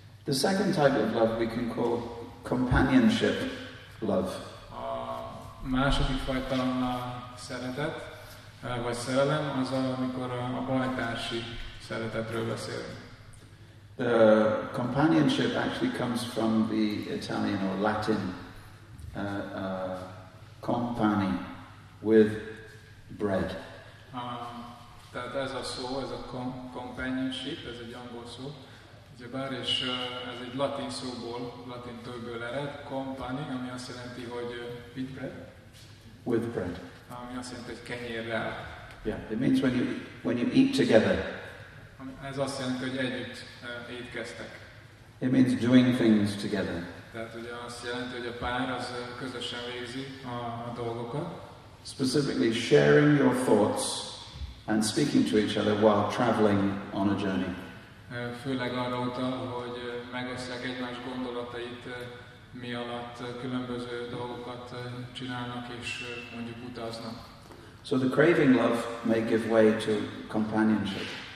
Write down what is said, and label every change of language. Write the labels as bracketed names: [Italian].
[English] The second type of love we can call companionship love. [Hungarian] A második fajta szeretet, vagy szerelem, az amikor a bajtársi szeretetről beszélünk. [English] The companionship actually comes from the Italian or Latin compagni, with bread. [Hungarian] Tehát ez a szó, ez a companionship, ez egy angol szó, ugyebár, és ez egy latin szóból, latin tőből ered, compagni, ami azt jelenti, hogy [English] with bread. With bread. [Hungarian] Ami azt jelenti, hogy kenyérrel. [English] Yeah, it means when you eat together. [Hungarian] Ez azt jelenti, hogy együtt étkeztek. [English] It means doing things together. [Hungarian] Tehát ugye azt jelenti, hogy a pár az közösen végzi a dolgokat. [English] Specifically sharing your thoughts and speaking to each other while traveling on a journey. [Hungarian] Főleg arra utal, hogy megosztják egymás gondolatait, mi alatt különböző dolgokat csinálnak és mondjuk utaznak. [English] So the craving love may give way to companionship.